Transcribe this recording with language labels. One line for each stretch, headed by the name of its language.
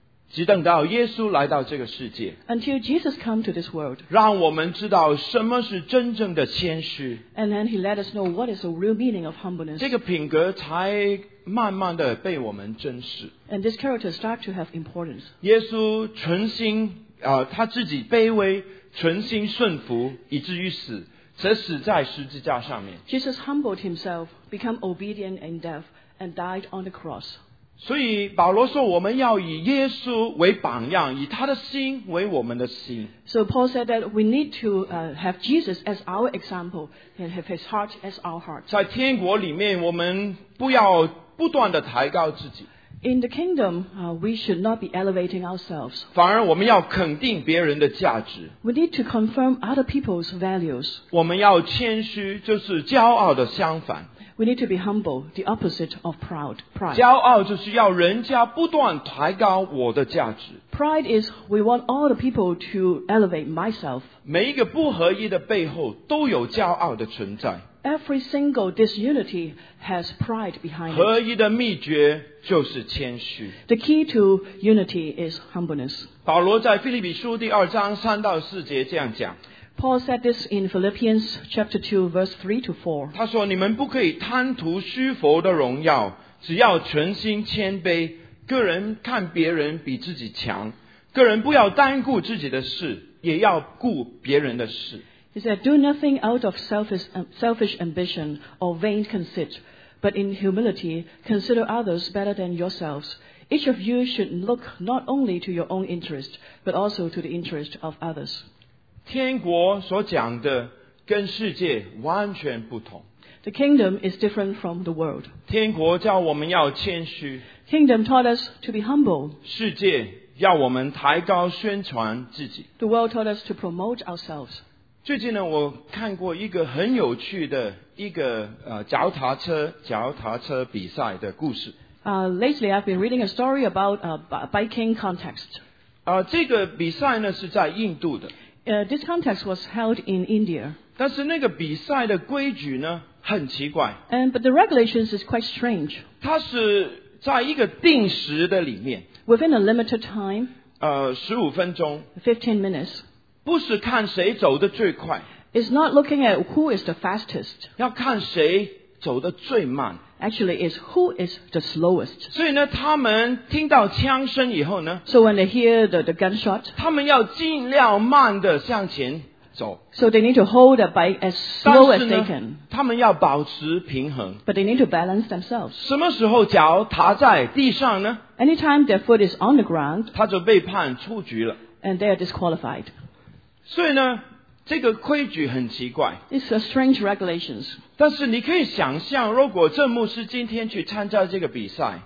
Chinese: 直等到耶稣来到这个世界。
English: Until Jesus come to this world.
Chinese: 让我们知道什么是真正的谦虚。
English: And then he let us know what is the real meaning of humbleness.
Chinese: 这个品格才慢慢的被我们珍视。
English: And this character start to have importance.
Chinese: 耶稣存心他自己卑微。存心顺服以至于死，则死在十字架上面。
English: Jesus humbled himself, became obedient in death, and died on the cross.
Chinese: 所以保罗说我们要以耶稣为榜样，以他的心为我们的心。
English: So Paul said that we need to have Jesus as our example and have his heart as our heart.
Chinese: 在天国里面我们不要不断地抬高自己。
English: In the kingdom, we should not be elevating ourselves.
Chinese: 反而我们要肯定别人的价值。
English: We need to confirm other people's values.
Chinese: 我们要谦虚，就是骄傲的相反。
English: We need to be humble, the opposite of proud. Pride.
Chinese: 骄傲就是要人家不断抬高我的价值。
English: Pride is we want all the people to elevate myself.
Chinese: 每一个不合一的背后都有骄傲的存在。
English: Every single disunity has pride behind it.
Chinese: 合一的秘诀就是谦虚。
English: The key to unity is humbleness.
Chinese: 保罗在腓立比书第二章三到四节这样讲。
English: Paul said this in Philippians chapter 2 verse 3 to 4.
Chinese: 他说你们不可以贪图虚浮的荣耀，只要存心谦卑，个人看别人比自己强，个人不要单顾自己的事，也要顾别人的事。
English: He said, do nothing out of selfish ambition or vain conceit, but in humility, consider others better than yourselves. Each of you should look not only to your own interest, but also to the interest of others.
Chinese: 天国所讲的跟世界完全不同。
English: The kingdom is different from the world.
Chinese: 天国叫我们要谦虚。
English: Kingdom taught us to be humble.
Chinese: 世界要我们抬高宣传自己。
English: The world taught us to promote ourselves.
Chinese: 最近呢我看过一个很有趣的一个脚踏车比赛的故事。
English: Lately I've been reading a story about a biking contest.
Chinese: 这个比赛呢是在印度的。
English: this contest was held in India.
Chinese: 但是那个比赛的规矩呢，很奇怪。
English: But the regulations is quite strange.
Chinese: 它是在一个定时的里面。
English: Within a limited time.
Chinese: 15分钟。
English: 15 minutes.
Chinese: 不是看谁走得最快。
English: It's not looking at who is the fastest.
Chinese: 要看谁走得最慢。
English: Actually, it's who is the slowest.
Chinese: 所以呢，他们听到枪声以后呢。
English: So when they hear the gunshot.
Chinese: 他们要尽量慢地向前。
English: So they need to hold the bike as slow as they can.
Chinese: 他们要保持平衡。
English: But they need to balance themselves.
Chinese: 什么时候脚踏在地上呢？
English: Anytime their foot is on the ground,
Chinese: 他就被判出局了。
English: And they are disqualified.
Chinese: 所以呢，这个规矩很奇怪。
English: It's a strange regulations.
Chinese: 但是你可以想象，如果郑牧师今天去参加这个比赛。